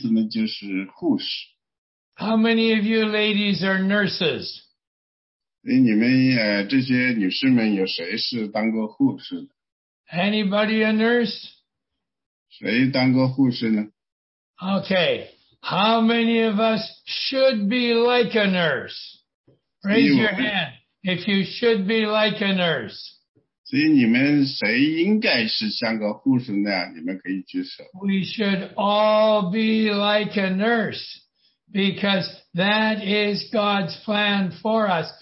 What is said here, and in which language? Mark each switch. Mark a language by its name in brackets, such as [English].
[Chinese] 所以提多的名字呢，基本的意思呢就是护士。 [English] How many of you ladies are nurses? [Chinese] 所以你们这些女士们有谁是当过护士的？ [English] Anybody a nurse? [Chinese] 谁当过护士呢？ [English] Okay, how many of us should be like a nurse? Raise your hand if you should be like a nurse. [Chinese] 所以你们谁应该是像个护士那样，你们可以举手。 [English] We should all be like a nurse because that is God's plan for us.